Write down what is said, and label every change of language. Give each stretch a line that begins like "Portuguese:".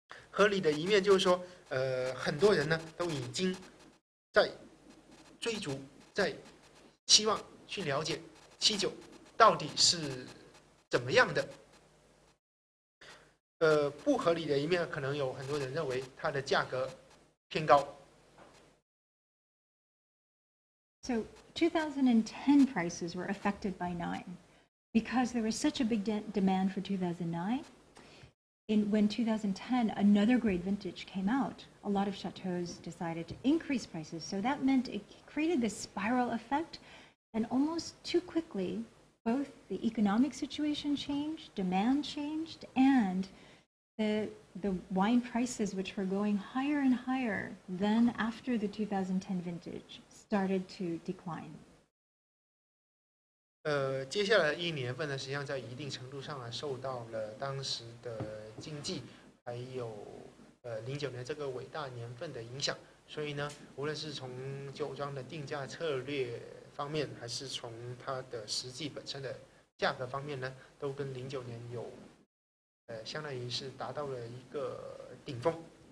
Chinese: 合理的一面就是说，很多人呢都已经在追逐，在期望去了解七酒到底是怎么样的。不合理的一面，可能有很多人认为它的价格偏高。
English: So 2010 prices were affected by 9 because there was such a big demand for 2009. When 2010, another great vintage came out, a lot of chateaus decided to increase prices. So that meant it created this spiral effect. And almost too quickly, both the economic situation changed, demand changed, and the wine prices, which were going higher and higher than after the 2010 vintage, started to decline.
Chinese: 接下来一年份呢，实际上在一定程度上啊，受到了当时的经济，还有2009年这个伟大年份的影响。所以呢，无论是从酒庄的定价策略方面，还是从它的实际本身的价格方面呢，都跟2009年有相当于是达到了一个顶峰。